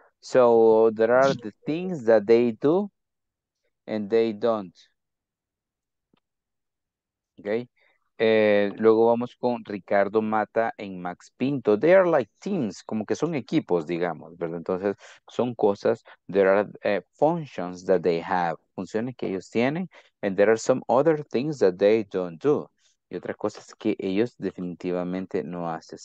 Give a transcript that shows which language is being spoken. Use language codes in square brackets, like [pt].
[en] So there are the things that they do and they don't. Okay. [es] Luego vamos con Ricardo Mata en Max Pinto. [en] They are like teams, [es] como que son equipos, digamos, ¿verdad? Entonces, son cosas, [en] there are functions that they have, [es] funciones que ellos tienen, [en] and there are some other things that they don't do. [es] Y otras cosas que ellos definitivamente no hacen.